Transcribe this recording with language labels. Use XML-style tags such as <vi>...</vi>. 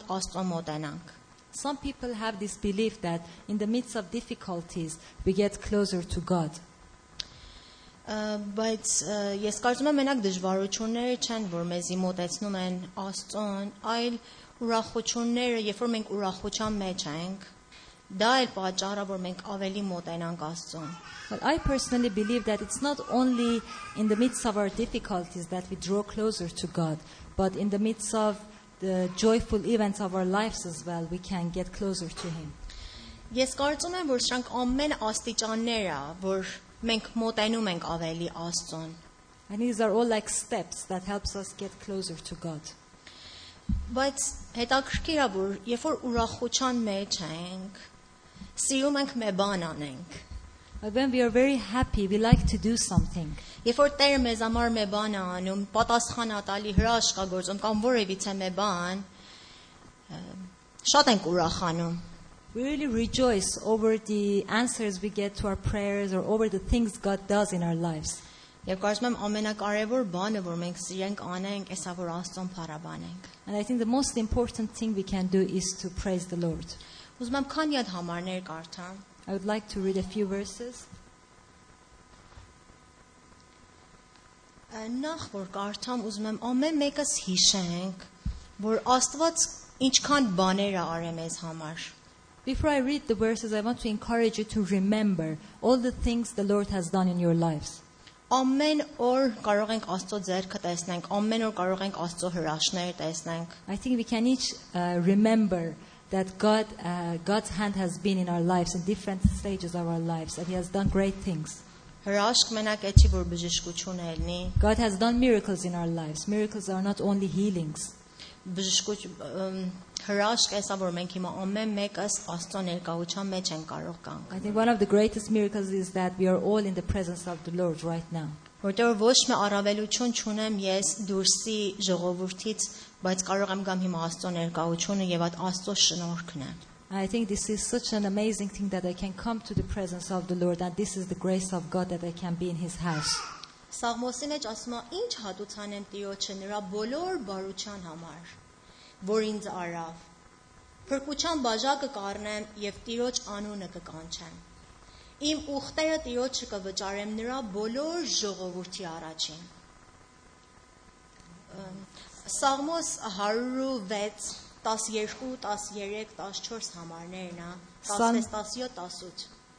<en>Some people have this belief that in the midst of difficulties, we get closer to God. But yes,</en> <hy>կարծում եմ մենակ դժվարությունները չեն, որ մեզի մոտեցնում են Աստծուն, այլ ուրախությունները, երբ որ մենք ուրախության մեջ ենք, դա էլ պատճառը, որ մենք ավելի մոտենանք Աստծուն.</hy> <en>But I personally believe that it's not only in the midst of our difficulties that we draw closer to God, but in the midst of the joyful events of our lives as well, we can get closer to Him.</en> <hy>Ես կարծում եմ, որ սրանք ամեն աստիճանները, որ մենք մոտենում ենք ավելի Աստծուն.</hy> <en>And these are all like steps that helps us get closer to God.</en> <hy>Բայց հետաքրքիր է, որ երբ որ ուրախության մեջ ենք, սիրում ենք մի բան անենք.</hy> <en>When we are very happy, we like to do something.</en> <hy>Երբ որ Տեր մեզ համար մի բան է անում, պատասխան է տալի, հրաշքագործում կամ որևիցե մի բան, շատ ենք ուրախանում.</hy> <en>We really rejoice over the answers we get to our prayers or over the things God does in our lives.</en> <hy>Եվ կարծում եմ ամենակարևոր բանը, որ մենք սիրենք անենք, է սա, որ Աստծուն փառաբանենք.</hy> <en>And I think the most important thing we can do is to praise the Lord.</en> <hy>Ուզում եմ քանի հատ համարներ կարդամ.</hy> <en>I would like to read a few verses.</en> <hy>Նախ որ կարդամ, ուզում եմ ամեն մեկս հիշենք, որ Աստված ինչքան բաներ է արել մեզ համար.</hy> <en>Before I read the verses, I want to encourage you to remember all the things the Lord has done in your lives.</en> <hy>Ամեն օր կարող ենք Աստծո ձեռքը տեսնենք, ամեն օր կարող ենք Աստծո հրաշքները տեսնենք.</hy> <en>I think we can each remember that God's hand has been in our lives in different stages of our lives and He has done great things.</en> <hy>Հրաշք մենակ է չի, որ բժշկություն է լինի.</hy> <en>God has done miracles in our lives. Miracles are not only healings.</en> <hy>Հրաշք է սա, որ մենք հիմա ամեն մեկս Աստծո ներկայության մեջ ենք կարող կանգնել.</hy> <en>I think one of the greatest miracles is that we are all in the presence of the Lord right now.</en> <hy>Որտեղ ոչ մի առավելություն չունեմ ես դուրսի ժողովրդից, բայց կարող եմ գամ հիմա Աստծո ներկայությունը եւ այդ Աստծո շնորհքն է.</hy> <en>I think this is such an amazing thing that I can come to the presence of the Lord and this is the grace of God that I can be in his house.</en> <hy>Սաղմոսի մեջ ասում է, ինչ հատուցան եմ Տիրոջը նրա բոլոր բարության համար, որ ինձ արավ։ Փրկության բաժակը կառնեմ եւ Տիրոջ անունը կկանչեմ։ Իմ ուխտերը Տիրոջը կվճարեմ նրա բոլոր ժողովրդի առաջին։ Սաղմոս 106:12-13 համարներն է, 16:17-18։</hy>